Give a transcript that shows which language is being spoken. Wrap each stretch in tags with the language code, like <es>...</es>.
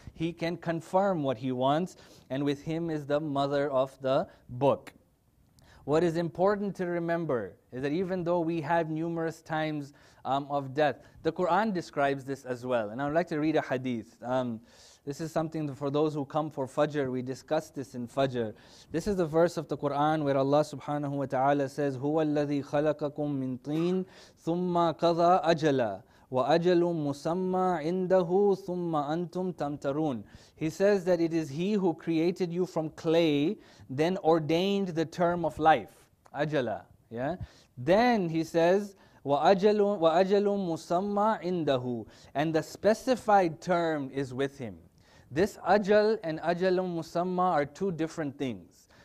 <en>He can confirm what He wants. And with Him is the mother of the book. What is important to remember is that even though we have numerous times of death, the Quran describes this as well. And I would like to read a hadith. This is something for those who come for Fajr. We discuss this in Fajr. This is the verse of the Quran where Allah subhanahu wa ta'ala says,</en> <ar>هُوَ الَّذِي خَلَقَكُم مِّن طِين ثُمَّ قَضَى أَجَلًا وَأَجَلٌ مُسَمَّى عِنْدَهُ ثُمَّ أَنْتُمْ تَمْتَرُونَ.</ar> <en>He says that it is He who created you from clay, then ordained the term of life. Ajala. Yeah? Then He says,</en> <ar>وَأَجَلٌ مُسَمَّى عِنْدَهُ.</ar> <en>And the specified term is with Him. This ajal and ajalun musamma are two different things.</en>